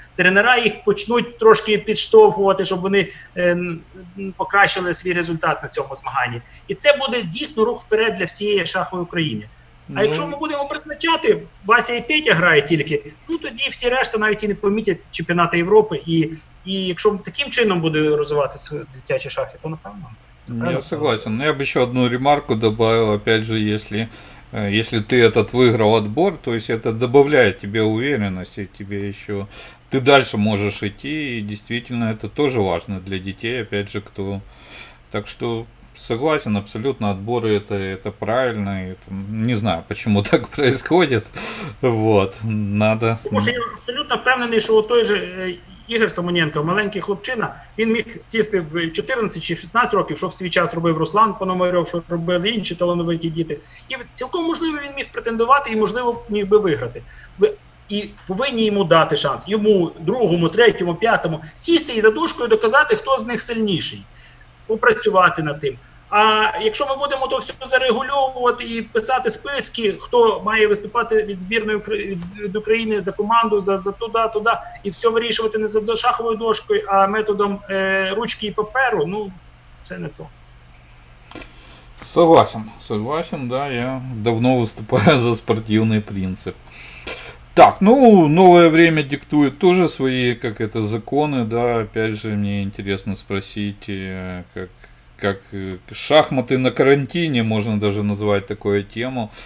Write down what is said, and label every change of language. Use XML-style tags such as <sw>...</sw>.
<uk>Тренера їх почнуть трошки підштовхувати, щоб вони покращили свій результат на цьому змаганні. І це буде дійсно рух вперед для всієї шахової України. А якщо ми будемо призначати, Вася і Петя грають тільки, ну тоді всі решта навіть і не помітять чемпіонати Європи. І якщо таким чином буде розвиватися дитячі шахи, то напевно.</uk> <ru>Я согласен.</ru> <uk>Я б ще одну ремарку додав,</uk> <ru>опять же, якщо ти этот виграв відбор, то есть это добавляет тебе уверенности, тебе ещё ти дальше можешь идти, и действительно это тоже важно для детей, опять же, кто. Так что согласен, абсолютно, отборы это правильно, это, не знаю, почему так происходит, вот, надо. Потому что я абсолютно впевнений, что той же</ru> <uk>Ігор Самоненко, маленький хлопчина, він міг сісти в 14 чи 16 років, що в свій час робив Руслан Пономарьов, що робили інші талановиті діти. І цілком можливо, він міг претендувати і, можливо, міг би виграти. І повинні йому дати шанс, йому, другому, третьому, п'ятому, сісти і за дужкою доказати, хто з них сильніший, попрацювати над тим. А якщо ми будемо то все зарегульовувати і писати списки, хто має виступати від збірної від України за команду, за туди-туди, і все вирішувати не за шаховою дошкою, а методом ручки і паперу, ну, це не то. Согласен, да, я давно виступаю за спортивний принцип.</uk> <ru>Так, ну, новое время диктует тоже свои, как это, законы, да, опять же, мне интересно спросить, как шахматы на карантине, можно даже назвать такую тему.</ru>